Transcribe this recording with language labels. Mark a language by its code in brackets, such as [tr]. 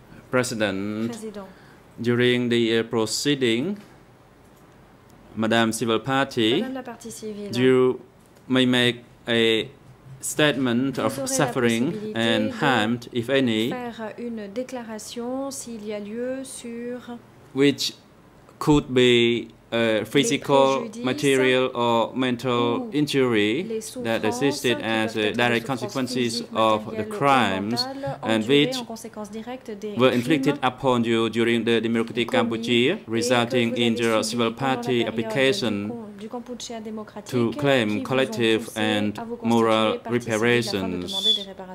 [en] President, during the proceeding, Madame Civil Party, [fr] Madame la partie civile, [en] you may make a statement of suffering and harm, if any, [fr] faire une déclaration, s'il y a lieu, sur [en] which could be a physical, material, or mental injury that existed as a direct consequences of the crimes and which were inflicted upon you during the Democratic Cambodia, resulting in your civil party application to claim collective and moral reparations,